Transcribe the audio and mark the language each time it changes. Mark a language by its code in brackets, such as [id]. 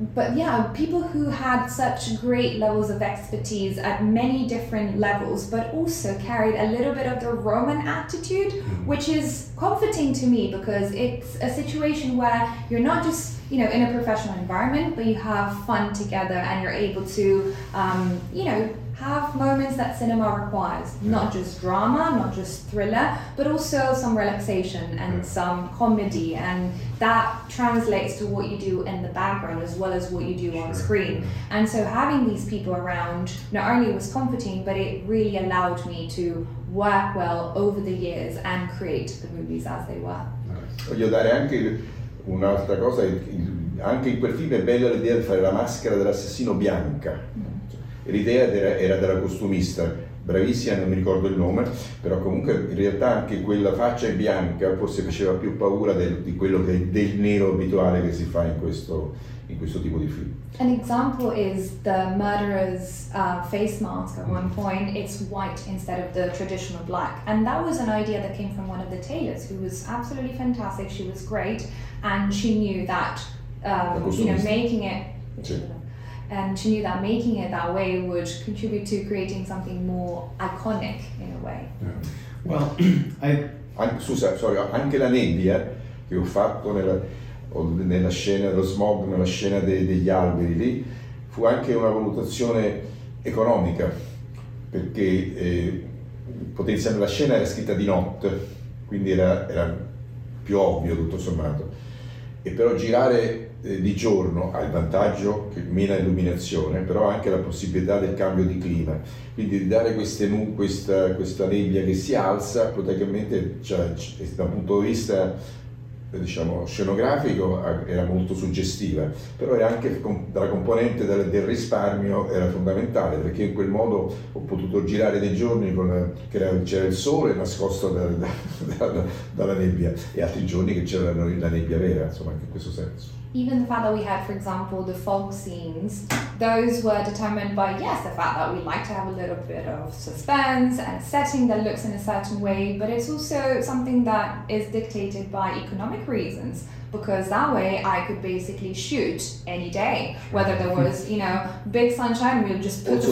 [en] But yeah, people who had such great levels of expertise at many different levels, but also carried a little bit of the Roman attitude, which is comforting to me, because it's a situation where you're not just, you know, in a professional environment, but you have fun together and you're able to, you know, have moments that cinema requires, not just drama, not just thriller, but also some relaxation and some comedy. And that translates to what you do in the background as well as what you do on screen. And so having these people around not only was comforting, but it really allowed me to work well over the years and create the movies as they were. [it] Voglio dare anche un'altra cosa, anche in quel film è bella l'idea di fare la maschera dell'assassino bianca. L'idea era della costumista, bravissima, non mi ricordo il nome, però comunque in realtà anche quella faccia in bianca forse faceva più paura di quello che del nero abituale che si fa in questo tipo di film. [en] An example is the murderer's face mask at one point. It's white instead of the traditional black. And that was an idea that came from one of the tailors, who was absolutely fantastic, she was great, and she knew that making it... And she knew that making it that way would contribute to creating something more iconic in a way. Yeah. Well, [it] anche la nebbia che ho fatto nella scena dello smog, nella scena degli alberi lì, fu anche una valutazione economica, perché potenzialmente la scena era scritta di notte, quindi era più ovvio tutto sommato. E però girare di giorno ha il vantaggio che meno illuminazione, però anche la possibilità del cambio di clima, quindi di dare questa nebbia che si alza, praticamente cioè, da un punto di vista diciamo scenografico era molto suggestiva, però era anche dalla componente del risparmio era fondamentale, perché in quel modo ho potuto girare dei giorni c'era il sole nascosto dalla nebbia e altri giorni che c'era la nebbia vera, insomma anche in questo senso. [en] Even the fact that we had, for example, the fog scenes, those were determined by, yes, the fact that we like to have a little bit of suspense and setting that looks in a certain way, but it's also something that is dictated by economic reasons, because that way I could basically shoot any day, whether there was, you know, big sunshine, we'll just put